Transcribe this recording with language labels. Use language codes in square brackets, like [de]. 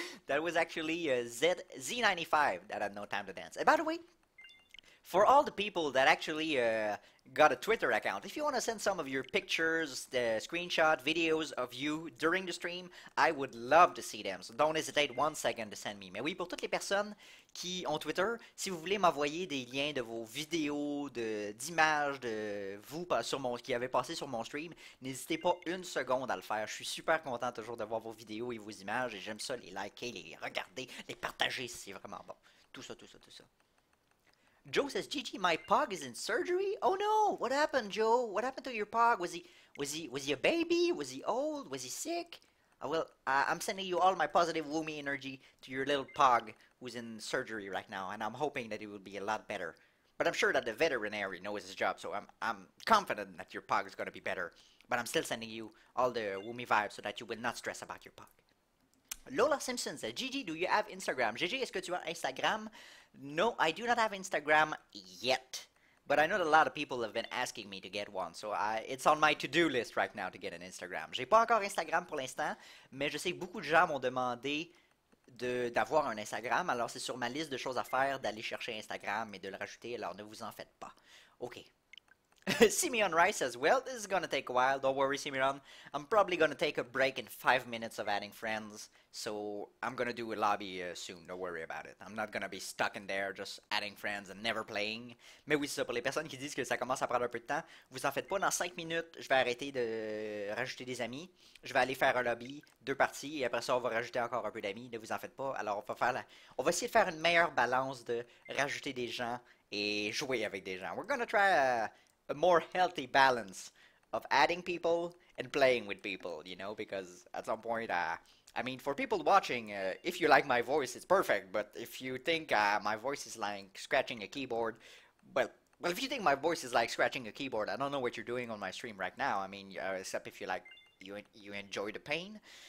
[en] That was actually Z95 that had no time to dance. And by the way, for all the people that actually got a Twitter account, if you want to send some of your pictures, the screenshot, videos of you during the stream, I would love to see them. So don't hesitate one second to send me. [fr] Mais oui, pour toutes les personnes qui ont Twitter, si vous voulez m'envoyer des liens de vos vidéos, d'images de vous sur mon, qui avez passé sur mon stream, n'hésitez pas une seconde à le faire. Je suis super content toujours de voir vos vidéos et vos images. Et j'aime ça les liker, les regarder, les partager, c'est vraiment bon. Tout ça. [en] Joe says, GG, my pug is in surgery? Oh no! What happened, Joe? What happened to your pug? Was he a baby? Was he old? Was he sick? I'm sending you all my positive woomy energy to your little pug who's in surgery right now, and I'm hoping that it will be a lot better. But I'm sure that the veterinary knows his job, so I'm confident that your pug is gonna be better. But I'm still sending you all the woomy vibes so that you will not stress about your pug. Lola Simpson says, GG, do you have Instagram? GG, [fr] est-ce que tu as Instagram? [en] No, I do not have Instagram yet. But I know that a lot of people have been asking me to get one. So it's on my to-do list right now to get an Instagram. [fr] J'ai pas encore Instagram pour l'instant, mais je sais que beaucoup de gens m'ont demandé d'avoir un Instagram. Alors c'est sur ma liste de choses à faire d'aller chercher Instagram et de le rajouter. Alors ne vous en faites pas. [en] OK. Simeon Rice says, well, this is going to take a while. Don't worry, Simeon. I'm probably going to take a break in 5 minutes of adding friends. So I'm going to do a lobby soon. Don't worry about it. I'm not going to be stuck in there just adding friends and never playing. [fr] Mais oui, c'est ça. Pour les personnes qui disent que ça commence à prendre un peu de temps, vous en faites pas. Dans 5 minutes, je vais arrêter de rajouter des amis. Je vais aller faire un lobby, deux parties. Et après ça, on va rajouter encore un peu d'amis. Ne vous en faites pas. Alors, on va essayer de faire une meilleure balance de rajouter des gens et jouer avec des gens. [en] We're going to try a more healthy balance of adding people and playing with people, you know, because at some point, I mean, for people watching, if you like my voice, it's perfect, but if you think my voice is like scratching a keyboard, well, if you think my voice is like scratching a keyboard, I don't know what you're doing on my stream right now, I mean, except if you like, you enjoy the pain,